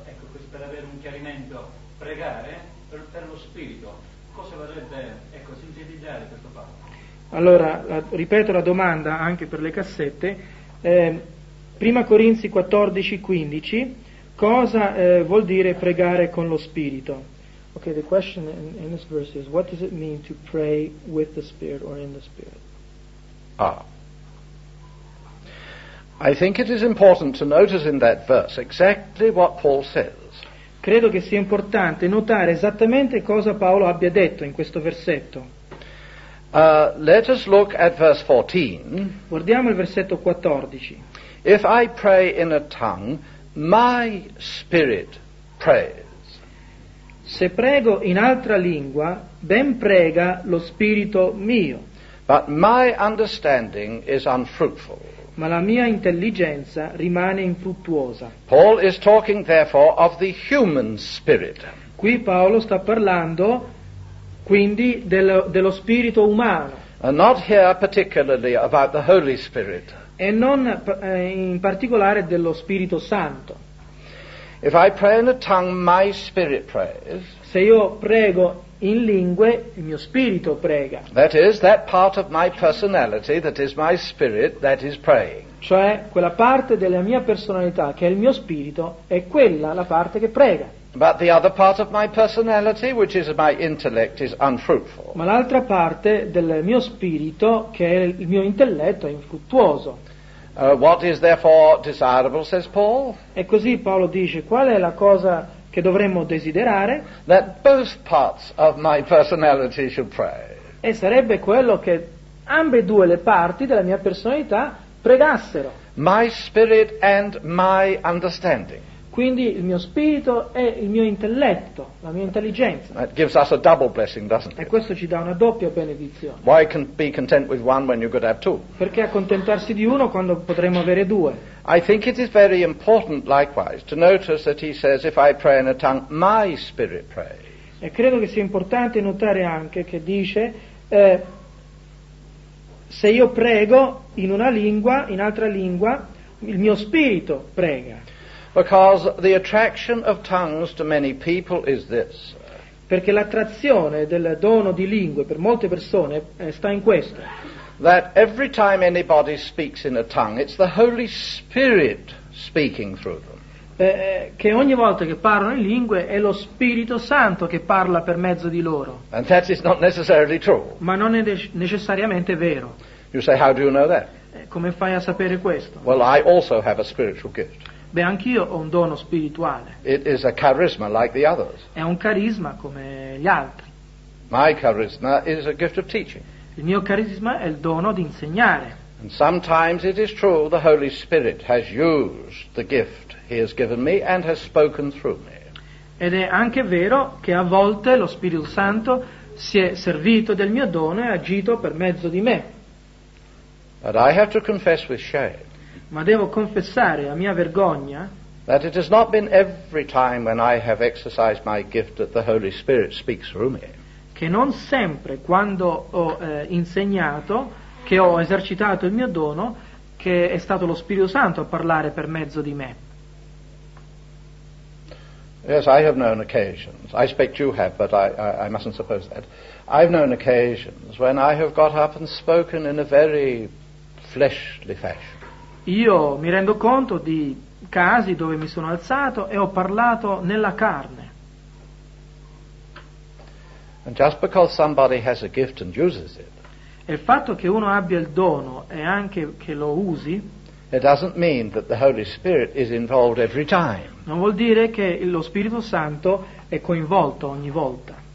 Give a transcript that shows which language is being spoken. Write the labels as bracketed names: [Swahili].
[Italian] Ecco, questo per avere un chiarimento. Pregare per lo spirito, cosa vorrebbe, ecco, sintetizzare questo fatto? Allora, ripeto la domanda anche per le cassette. Prima Corinzi 14:15, cosa vuol dire pregare con lo Spirito? [English] Okay, the question in this verse is, what does it mean to pray with the Spirit or in the Spirit? Ah. I think it is important to notice in that verse exactly what Paul says. [Italian] Credo che sia importante notare esattamente cosa Paolo abbia detto in questo versetto. [English] Let us look at verse 14. [Italian] Guardiamo il versetto 14. [English] If I pray in a tongue, my spirit prays. [Italian] Se prego in altra lingua, ben prega lo spirito mio. [English] But my understanding is unfruitful. [Italian] Ma la mia intelligenza rimane infruttuosa. [English] Paul is talking therefore of the human spirit. [Italian] Qui Paolo sta parlando quindi dello spirito umano. [English] And not here particularly about the Holy Spirit. [Italian] E non in particolare dello Spirito Santo. [English] If I pray in a tongue, my spirit prays. [Italian] Se io prego in lingue, il mio spirito prega. [English] That is that part of my personality that is my spirit that is praying. [Italian] Cioè quella parte della mia personalità che è il mio spirito è quella la parte che prega. [English] But the other part of my personality, which is my intellect, is unfruitful. [Italian] Ma l'altra parte del mio spirito, che è il mio intelletto, è infruttuoso. [English] What is therefore desirable, says Paul? [Italian] E così Paolo dice, qual è la cosa che dovremmo desiderare? [English] That both parts of my personality should pray. [Italian] E sarebbe quello che ambe due le parti della mia personalità pregassero. [English] My spirit and my understanding. [Italian] Quindi il mio spirito è il mio intelletto, la mia intelligenza. [English] That gives us a double blessing, doesn't it? [Italian] E questo ci dà una doppia benedizione. [English] Why can't be content with one when you could have two? [Italian] Perché accontentarsi di uno quando potremmo avere due? [English] I think it is very important likewise to notice that he says if I pray in a tongue my spirit prays. [Italian] E credo che sia importante notare anche che dice se io prego in una lingua, in altra lingua, il mio spirito prega. [English] Because the attraction of tongues to many people is this. [Italian] Perché l'attrazione del dono di lingue per molte persone sta in questo. [English] That every time anybody speaks in a tongue, it's the Holy Spirit speaking through them. [Italian] Che ogni volta che parlano in lingue è lo Spirito Santo che parla per mezzo di loro. [English] And that is not necessarily true. [Italian] Ma non è necessariamente vero. [English] You say, how do you know that? [Italian] Come fai a sapere questo? [English] Well, I also have a spiritual gift. [Italian] Beh, anch'io ho un dono spirituale. [English] It is a charisma like the others. [Italian] È un carisma come gli altri. [English] My charisma is a gift of teaching. [Italian] Il mio carisma è il dono di insegnare. [English] And sometimes it is true the Holy Spirit has used the gift he has given me and has spoken through me. [Italian] Ed è anche vero che a volte lo Spirito Santo si è servito del mio dono e ha agito per mezzo di me. [English] But I have to confess with shame. [Italian] Ma devo confessare la mia vergogna [English] that it has not been every time when I have exercised my gift that the Holy Spirit speaks through me. [Italian] Che non sempre quando ho insegnato, che ho esercitato il mio dono, che è stato lo Spirito Santo a parlare per mezzo di me. [English] Yes, I have known occasions. I expect you have, but I mustn't suppose that. I've known occasions when I have got up and spoken in a very fleshly fashion. [Italian] Io mi rendo conto di casi dove mi sono alzato e ho parlato nella carne. [English] And just because somebody has a gift and uses it, [Italian] e il fatto che uno abbia il dono e anche che lo usi, [English] it doesn't mean that the Holy Spirit is involved every time. [Italian] Non vuol dire che lo Spirito Santo è coinvolto ogni volta.